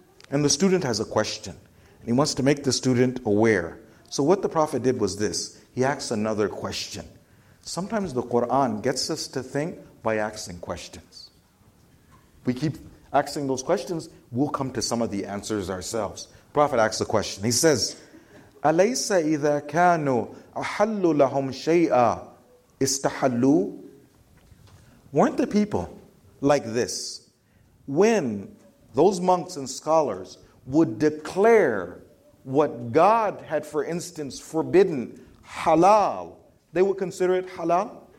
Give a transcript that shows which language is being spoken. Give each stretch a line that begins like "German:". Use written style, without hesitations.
English: And the student has a question. And he wants to make the student aware. So what the Prophet did was this. He asks another question. Sometimes the Quran gets us to think by asking questions. We keep asking those questions, we'll come to some of the answers ourselves. Prophet asks a question. He says,
Arabic: أَلَيْسَ إِذَا كَانُوا أَحَلُّ لَهُمْ شَيْئًا إِسْتَحَلُّوا.
English: Weren't the people like this when those monks and scholars would declare what God had, for instance, forbidden halal, they would consider it halal?